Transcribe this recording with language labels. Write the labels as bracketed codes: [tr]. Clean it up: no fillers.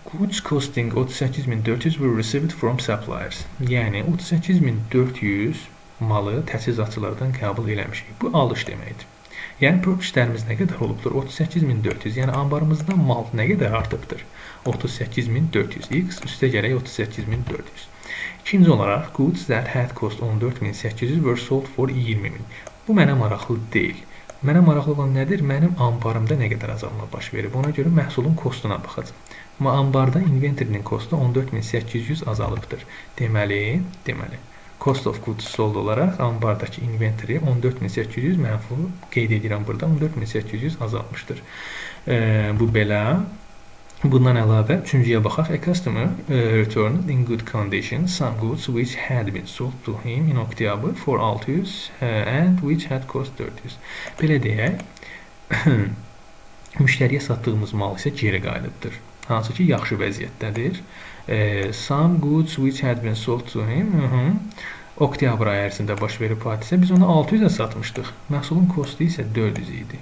[en] Goods costing 38.400 were received from suppliers. [az] Yəni 38.400 malı təchizatçılardan qəbul eləmişik. Bu alış deməkdir. Yəni purchase-lərimiz nə qədər olubdur? 38.400. Yəni anbarımızda mal nə qədər artıbdır? 38.400x üstə gələk 38.400. İkinci olaraq [en] goods that had cost 14.800 were sold for 20.000. [az] Bu mənə maraqlı deyil. Mənə maraqlı olan nədir? Mənim anbarımda nə qədər azalma baş verir? Ona görə məhsulun kostuna baxacaq. Amma anbarda inventory-nin kostu 14.800 azalıbdır. Deməli, cost of goods sold olaraq anbardakı inventory 14.800 mənfi qeyd edirəm burada 14.800 azalmışdır. Bu belə. Bundan əlavə, üçüncüyə baxaq. [en] A customer returned in good condition some goods which had been sold to him in October for 600 and which had cost 400. [az] Belə deyək, müştəriyə satdığımız mal isə geri qayıdıbdır. Hansı ki, yaxşı vəziyyətdədir. [en] Some goods which had been sold to him [az] Oktyabr ayı ərzində baş verib hadisə, biz onu 600-ə satmışdıq. Məhsulun kostu isə 400 idi.